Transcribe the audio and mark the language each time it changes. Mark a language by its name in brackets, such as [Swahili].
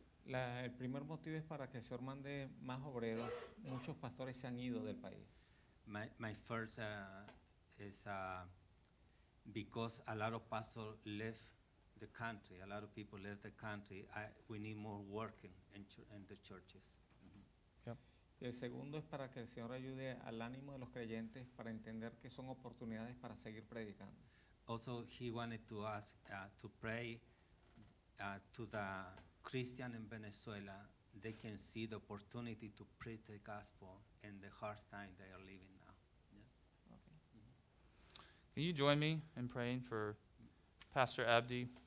[Spanish] El primer motivo es para que el Señor mande más obreros. Muchos pastores se han ido del país. [English] My first is because a lot of pastors left the country, a lot of people left the country, we need more working in the churches. [Spanish] El segundo es para que el Señor ayude al ánimo de los creyentes para entender que son oportunidades para seguir predicando. [English] Also, he wanted to ask to pray to the Christian in Venezuela, they can see the opportunity to preach the gospel in the hard time they are living now. Yeah. Okay. Mm-hmm. Can you join me in praying for Pastor Abdi?